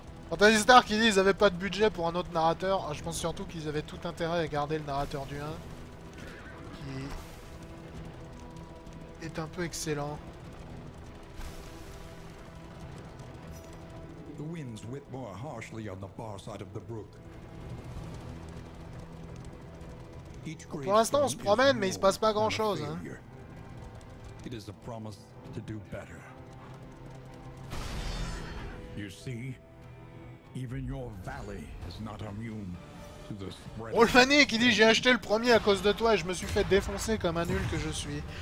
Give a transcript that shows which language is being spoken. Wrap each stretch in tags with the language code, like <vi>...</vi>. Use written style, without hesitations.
<fr>Fantasy Star qui dit qu'ils avaient pas de budget pour un autre narrateur, je pense surtout qu'ils avaient tout intérêt à garder le narrateur du 1. Qui est un peu excellent.</fr> <en>The winds whip more harshly on the far side of the brook.</en> <fr>Pour l'instant, on se promène, mais il se passe pas grand chose. Hein.</fr> <en>It is a promise to do better. You see, even your valley is not immune to the spread.</en> <fr>Rolfani qui dit j'ai acheté le premier à cause de toi et je me suis fait défoncer comme un nul que je suis.</fr>